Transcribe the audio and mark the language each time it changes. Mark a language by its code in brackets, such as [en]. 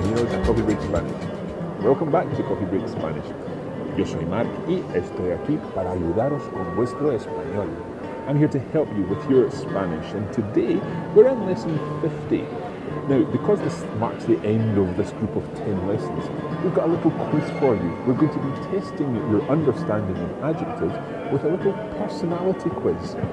[en] Welcome back to Coffee Break Spanish. [es] Yo soy Mark y estoy aquí para ayudaros con vuestro español. [en] I'm here to help you with your Spanish, and today we're in lesson 50. Now, because this marks the end of this group of 10 lessons, we've got a little quiz for you. We're going to be testing your understanding of adjectives with a little personality quiz.